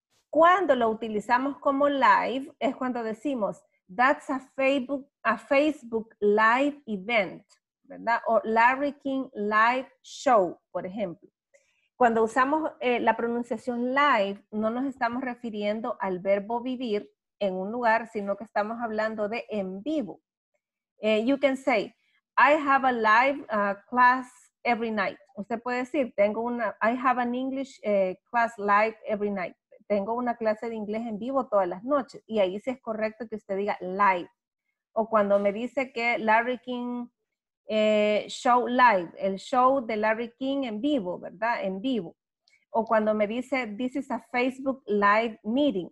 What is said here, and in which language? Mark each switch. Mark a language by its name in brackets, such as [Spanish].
[Spanish] Cuando lo utilizamos como live, es cuando decimos, [English] that's a Facebook live event, [Spanish] ¿verdad? O Larry King live show, por ejemplo. Cuando usamos la pronunciación live, no nos estamos refiriendo al verbo vivir en un lugar, sino que estamos hablando de en vivo. [English] You can say, I have a live class every night. [Spanish] Usted puede decir, [English] I have an English class live every night. [Spanish] Tengo una clase de inglés en vivo todas las noches. Y ahí sí es correcto que usted diga live. O cuando me dice que Larry King show live, el show de Larry King en vivo, ¿verdad? En vivo. O cuando me dice, [English] this is a Facebook live meeting.